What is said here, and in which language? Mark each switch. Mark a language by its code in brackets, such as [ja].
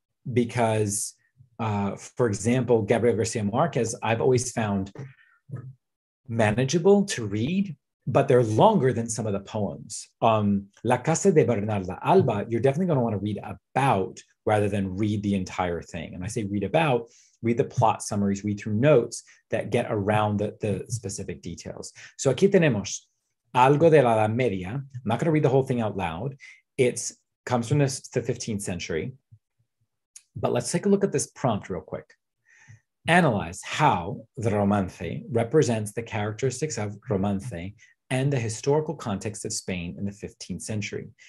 [en] Because, for example, Gabriel Garcia Marquez, I've always found manageable to read, but they're longer than some of the poems. La Casa de Bernarda Alba, you're definitely going to want to read about rather than read the entire thing. And I say read about, read the plot summaries, read through notes that get around the specific details. [es] So aquí tenemos Algo de la Edad Media. [en] I'm not going to read the whole thing out loud. Comes from the 15th century. But let's take a look at this prompt real quick. Analyze how the romance represents the characteristics of romance and the historical context of Spain in the 15th century.